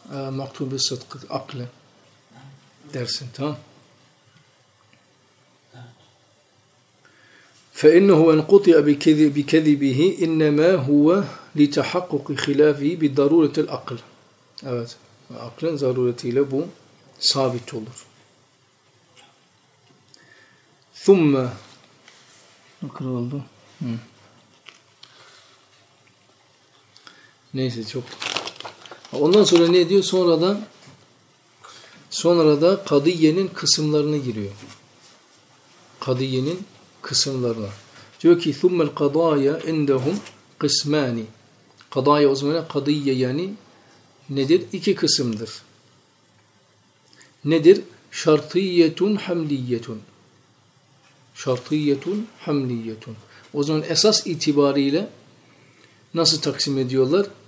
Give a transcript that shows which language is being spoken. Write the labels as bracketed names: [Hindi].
[Turkish] Maktubu sıdkı, aklı dersin, tamam. [Arabic] فإنه إن قطع بكذبه إنما هو لتحقق خلافه بضرورة العقل. [Turkish] Evet. Aklın zaruretiyle bu sabit olur. [Arabic] ثم نقرأ [Turkish] oldu. Neyse çok. Ondan sonra ne diyor? Sonra da kadiyenin kısımlarına giriyor. Kadiyenin kısımlarına. Diyor ki [Arabic] ثُمَّ الْقَضَايَا اِنْدَهُمْ قِسْمَانِ. [Turkish] Kadaya o zaman kadiyye yani nedir? İki kısımdır. Nedir? [Arabic] شَرْطِيَّتُنْ حَمْلِيَّتُنْ. شَرْطِيَّتُنْ حَمْلِيَّتُنْ. [Turkish] O zaman esas itibariyle nasıl taksim ediyorlar?